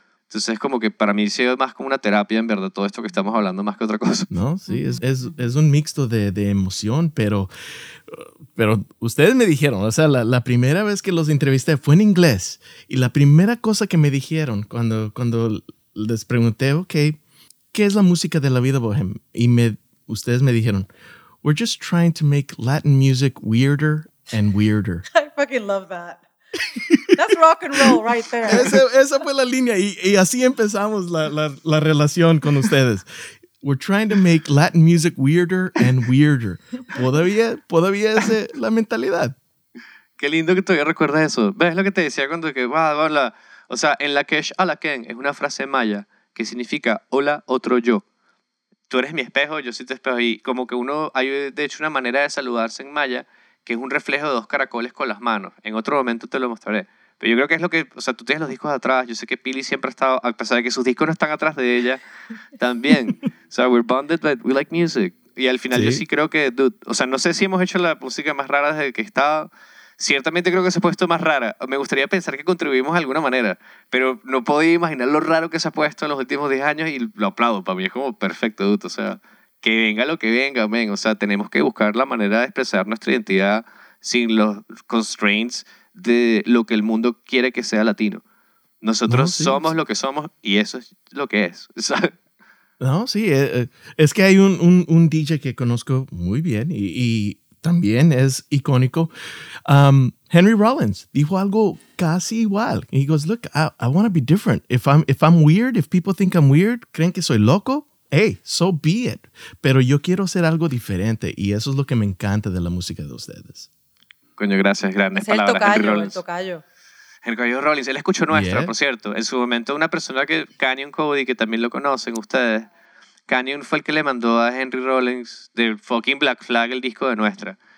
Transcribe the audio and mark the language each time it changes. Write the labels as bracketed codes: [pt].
[es] Entonces, es como que para mí se ve más como una terapia, en verdad, todo esto que estamos hablando más que otra cosa. No, sí, es un mixto de emoción, pero ustedes me dijeron, o sea, la primera vez que los entrevisté fue en inglés. Y la primera cosa que me dijeron cuando les pregunté, ok, ¿qué es la música de la vida bohem? Y ustedes me dijeron, [en] we're just trying to make Latin music weirder and weirder. I fucking love that. That's rock and roll right there. [es] Esa fue la línea y así empezamos la relación con ustedes. [en] We're trying to make Latin music weirder and weirder. [es] ¿Todavía es la mentalidad? Qué lindo que todavía recuerdas eso. ¿Ves lo que te decía cuando que va a hablar? O sea, en la quech a la ken es una frase maya que significa hola otro yo. Tú eres mi espejo, yo soy tu espejo. Y como que uno, hay de hecho una manera de saludarse en maya que es un reflejo de dos caracoles con las manos. En otro momento te lo mostraré. Pero yo creo que es lo que, o sea, tú tienes los discos atrás. Yo sé que Pili siempre ha estado, a pesar de que sus discos no están atrás de ella, también. O sea, [en] we're bonded, but we like music. [es] Y al final ¿sí? Yo sí creo que, dude, o sea, no sé si hemos hecho la música más rara desde que estaba. Ciertamente creo que se ha puesto más rara. Me gustaría pensar que contribuimos de alguna manera, pero no podía imaginar lo raro que se ha puesto en los últimos 10 años y lo aplaudo. Para mí es como perfecto, dude. O sea, que venga lo que venga, men. O sea, tenemos que buscar la manera de expresar nuestra identidad sin los constraints de lo que el mundo quiere que sea latino. Nosotros no, sí, somos lo que somos y eso es lo que es. No, sí. Es que hay un DJ que conozco muy bien y también es icónico. [en] Henry Rollins [es] dijo algo casi igual. [en] He goes, look, I want to be different. If I'm weird, if people think I'm weird, [es] creen que soy loco, [en] hey, so be it. [es] Pero yo quiero ser algo diferente y eso es lo que me encanta de la música de ustedes. Coño, gracias. Grandes es palabras. El tocayo, Henry Rollins. El tocayo Rollins. Él escuchó nuestra, yeah, por cierto. En su momento una persona que, Canyon Cody, que también lo conocen ustedes, Canyon fue el que le mandó a Henry Rollins de fucking Black Flag el disco de Nuestra.